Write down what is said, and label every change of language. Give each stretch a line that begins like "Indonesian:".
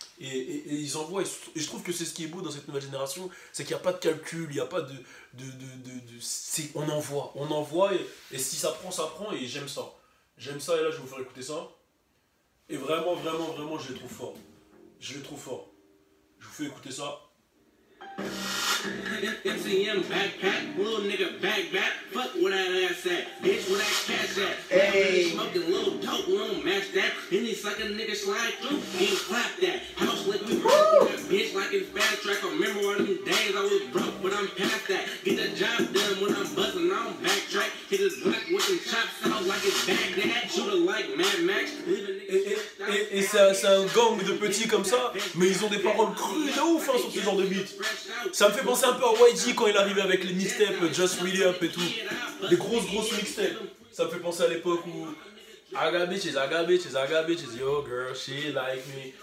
French: Et ils envoient, et je trouve que c'est ce qui est beau dans cette nouvelle génération, c'est qu'il n'y a pas de calcul, il n'y a pas de c'est, on envoie, et si ça prend, ça prend, et j'aime ça, et là je vais vous faire écouter ça, et vraiment, je le trouve fort, je vous fais écouter ça.
English: MCM backpack, little nigga back. Fuck where that ass at, bitch, where that cash at? Hey, smoking little dope, we don't match that. Any sucker nigga slide through, he clap that. House lit, we rock that bitch like it's fast track. I remember all them days I was broke, but I'm past that. Get the job done when I'm busting, I don't backtrack. Hit his block with some chops out like it's Baghdad. Shoot a like Mad Max.
French: Et c'est un gang de petits comme ça, mais ils ont des paroles crues de ouf hein, sur ce genre de beat. Ça me fait penser un peu à YG quand il arrivait avec les mixtapes Just Really Up et tout. Les grosses mixtapes. Ça me fait penser à l'époque où
English: I got bitches, yo girl, she like me.